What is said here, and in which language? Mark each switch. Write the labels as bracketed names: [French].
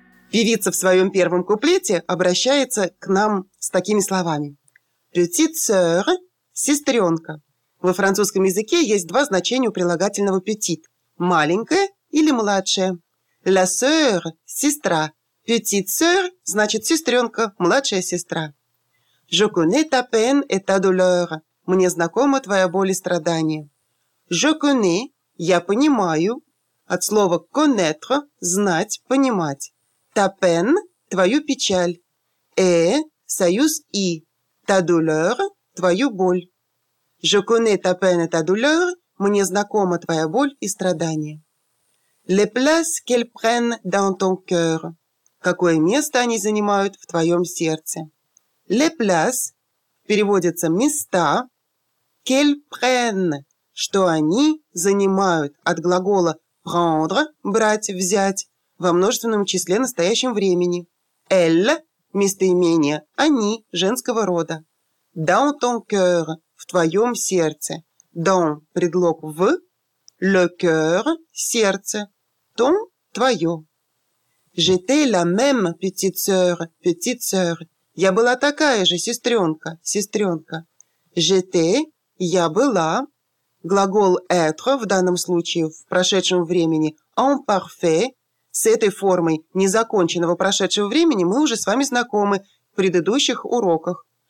[Russian] Певица в своем первом куплете обращается к нам с такими словами. [French] «Petite sœur» – [Russian] «сестренка». Во французском языке есть два значения у прилагательного «petit» – «маленькая» или «младшая». [French] «La sœur» – [Russian] «сестра». [French] «Petite sœur» [Russian] – значит «сестренка», «младшая сестра». [French] «Je connais ta peine et ta douleur» – [Russian] «мне знакома твоя боль и страдания». [French] «Je connais» [Russian] – «я понимаю» – от слова [French] «connaître» [Russian] – «знать», «понимать». «Та пен» – «твою печаль». «Э» – «союз и». «Та дулер» – «твою боль». [French] «Je connais ta peine et ta douleur» – [Russian] «мне знакома твоя боль и страдания». [French] «Les places qu'elles prennent dans ton cœur» – [Russian] «какое место они занимают в твоем сердце». [French] «Les places» [Russian] – переводится «места». [French] «Qu'elles prennent» [Russian] – «что они занимают» от глагола [French] «prendre» [Russian] – «брать», «взять». Во множественном числе настоящем времени. «Elle» – местоимение «они» женского рода. [French] «Dans ton cœur» [Russian] – в твоем сердце. «Dans» – предлог «в». [French] «Le cœur» – [Russian] сердце. [French] «Ton» [Russian] – твое. [French] «J'étais la même petite sœur, petite sœur». [Russian] «Я была такая же, сестренка, сестренка». [French] «J'étais» [Russian] – «я была». Глагол [French] «être» [Russian] в данном случае в прошедшем времени [French] «en parfait». [Russian] С этой формой незаконченного прошедшего времени мы уже с вами знакомы в предыдущих уроках.